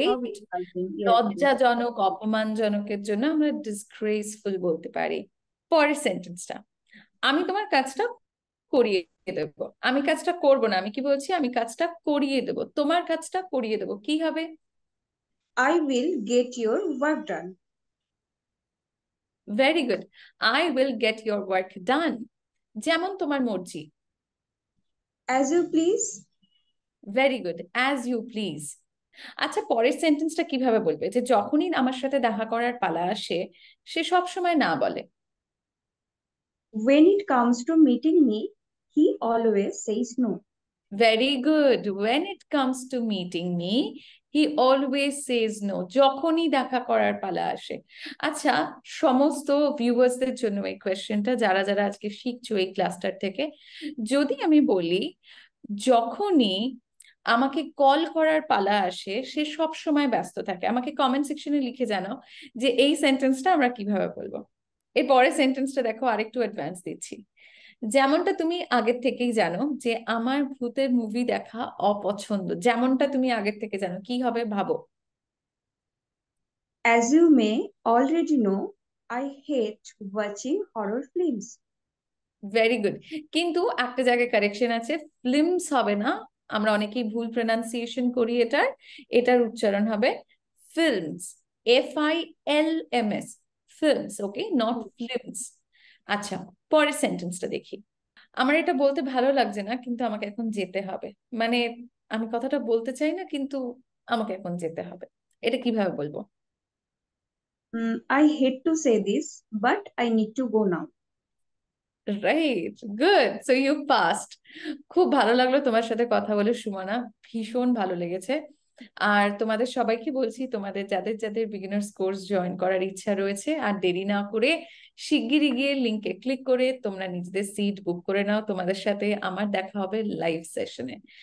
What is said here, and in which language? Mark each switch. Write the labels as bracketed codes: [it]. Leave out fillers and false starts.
[en] Insulting. Yes, [bn] লজ্জাজনক, অপমানজনকের জন্য আমরা ডিসগ্রেসফুল বলতে পারি। পরের সেন্টেন্সটা, আমি তোমার কাজটা করিয়ে দেবো, আমি কাজটা করব না, আমি কি বলছি, আমি কাজটা করিয়ে দেবো, তোমার কাজটা করিয়ে দেবো, কি হবে? [en] I will get your work done. Very good, I will get your work done, [bn] যেমন তোমার মর্জি। [en] As you please. Very good, as you please. [bn] আচ্ছা, পরের সেন্টেন্সটা কিভাবে বলবে? যে যখনই আমার সাথে দেখা করার পালা আসে, সে সব সময় না বলে। [en] When it comes to meeting me, he always says no. Very good, when it comes to meeting me, he always says no, [bn] যখনই দেখা করার পালা আসে। আচ্ছা, সমস্ত ভিউয়ার্সদের জন্য এই কোয়েশ্চনটা, যারা যারা আজকে শিখছো এই ক্লাস্টার থেকে, যদি আমি বলি যখনই আমাকে কল করার পালা আসে সে সব সময় ব্যস্ত থাকে, আমাকে কমেন্ট সেকশনে লিখে জানাও যে এই সেন্টেন্সটা আমরা কিভাবে বলবো। এর পরের সেন্টেন্সটা দেখো, আরেকটু অ্যাডভান্স দিচ্ছি। যেমনটা তুমি আগের থেকেই জানো যে আমার ভূতের মুভি দেখা অপছন্দ, যেমনটা তুমি আগের থেকে জানো, কি হবে ভাবো। [en] As you may already know, I hate watching horror films. [bn] Very good, কিন্তু একটা জায়গায় কারেকশন আছে, ফিল্মস হবে না, আমরা অনেকেই ভুল প্রনান্সিয়েশন করি এটার, এটার উচ্চারণ হবে films, FILMS, films, okay, not films. আচ্ছা, পরের সেন্টেন্সটা দেখি। আমার এটা বলতে ভালো লাগছে না, কিন্তু আমাকে এখন যেতে হবে, মানে আমি কথাটা বলতে চাই না, কিন্তু আমাকে এখন যেতে হবে, এটা কিভাবে বলবো? [en] I hate to say this, but I need to go now. Right, good, so you passed. [bn] খুব ভালো লাগলো তোমার সাথে কথা বলে সুমানা, ভীষণ ভালো লেগেছে। আর তোমাদের সবাইকে বলছি, তোমাদের যাদের যাদের বিগিনার্স কোর্স জয়েন করার ইচ্ছা রয়েছে, আর দেরি না করে শিগগিরই গিয়ে লিংকে ক্লিক করে তোমরা নিজেদের সিট বুক করে নাও, তোমাদের সাথে আমার দেখা হবে লাইভ সেশনে।